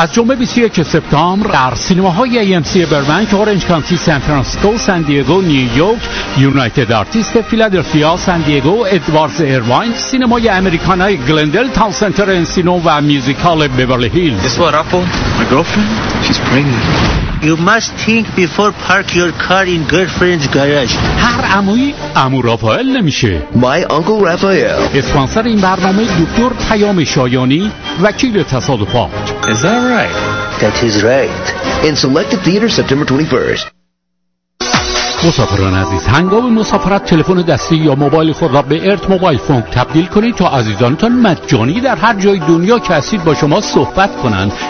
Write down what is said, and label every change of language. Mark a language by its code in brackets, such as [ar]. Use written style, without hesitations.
[fa] از جمعه 21 سپتامبر در سینماهای AMC برمنگ، اورنج کانتی، سان فرانسیسکو، سان دیگو، نیویورک، یونایتد آرتست، فیلادلفیا، سان دیگو، ادواردز ایرواین، سینمای آمریکانای گلندل، تاون سنتر انسینو و میوزیکال بیورلی هیلز. [en] Guess what, Apple? My girlfriend? She's pregnant. You must think before park your car in girlfriend's garage. [fa] هر عموی عمو رافائل نمیشه. [en] My Uncle Raphael. [fa] اسپانسر این برنامه دکتر پیام شایانی، وکیل تصادفات. [en] Is that right? That is right. In selected theaters September 21st. [fa] مسافران عزیز، هنگام مسافرت تلفن دستی یا موبایل خود را به ارت موبایل فون تبدیل کنید تا عزیزانتان مجانی در هر جای دنیا که هستید با شما صحبت کنند.